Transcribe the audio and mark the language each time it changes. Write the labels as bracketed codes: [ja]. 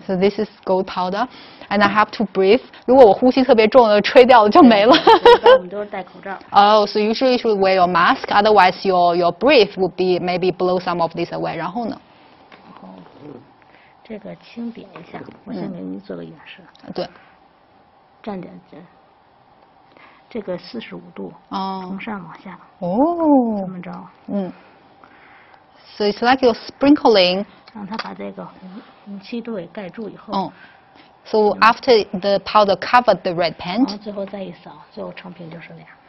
[en] So this is gold powder, and I have to breathe. [zh] 如果我呼吸特别重了，吹掉了就没了。一般我们都是戴口罩。 [en] Oh, so usually you should wear your mask. Otherwise, your breath would be maybe blow some of this away. [zh] 然后呢？然后，这个轻点一下，我先给您做个演示。嗯、对。站点这，这个45度。哦。从上往下。哦。这么着。 [en] 嗯。So it's like you're sprinkling. [zh] 让它把这个红漆都给盖住以后。 [en] So after the powder covered the red paint. [zh] 然后最后再一扫，最后成品就是那样。